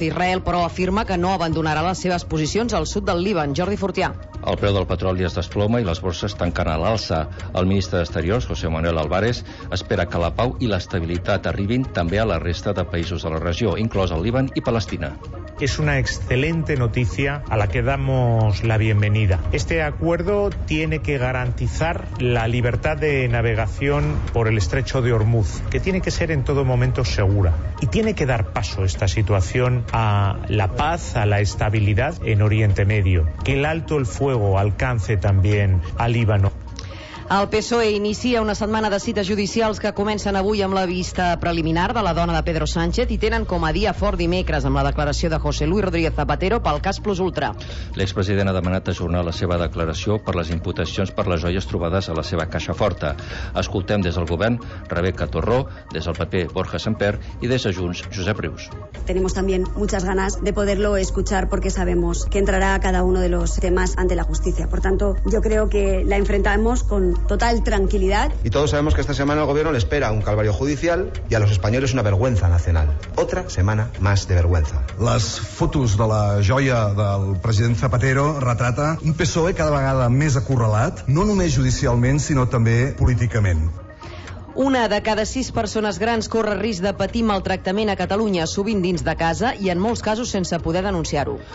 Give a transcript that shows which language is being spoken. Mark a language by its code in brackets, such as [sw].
[ca] Israel, però, afirma que no abandonarà les seves posicions al sud del Líban. Jordi Fortià. El preu del petroli es desploma i les borses tanquen a l'alça. El ministre d'Exteriors, José Manuel Álvarez, espera que la pau i l'estabilitat arribin també a la resta de països de la regió, inclòs el Líban i Palestina. [es] Es una excelente noticia a la que damos la bienvenida. Este acuerdo tiene que garantizar la libertad de navegación por el estrecho de Hormuz, que tiene que ser en todo momento segura. Y tiene que dar paso esta situación a la paz, a la estabilidad en Oriente Medio. Que el alto el fuego alcance también al Líbano. [ca] El PSOE inicia una setmana de cites judicials que comencen avui amb la vista preliminar de la dona de Pedro Sánchez i tenen com a dia fort dimecres amb la declaració de José Luis Rodríguez Zapatero pel cas Plus Ultra. L'expresident ha demanat ajornar la seva declaració per les imputacions per les joies trobades a la seva caixa forta. Escoltem des del govern Rebeca Torró, des del PP Borja Semper i des de Junts Josep Rius. [es] Tenemos también muchas ganas de poderlo escuchar porque sabemos que entrará a cada uno de los temas ante la justicia. Por tanto, yo creo que la enfrentamos con total tranquilidad. Y todos sabemos que esta semana el gobierno le espera un calvario judicial y a los españoles una vergüenza nacional. Otra semana más de vergüenza. [ca] Las fotos de la joia del president Zapatero retrata un PSOE cada vegada més acorralat, no només judicialment, sinó també políticament. Una de cada 6 persones grans corre risc de patir maltractament a Catalunya, sovint dins de casa i en molts casos sense poder denunciar-ho.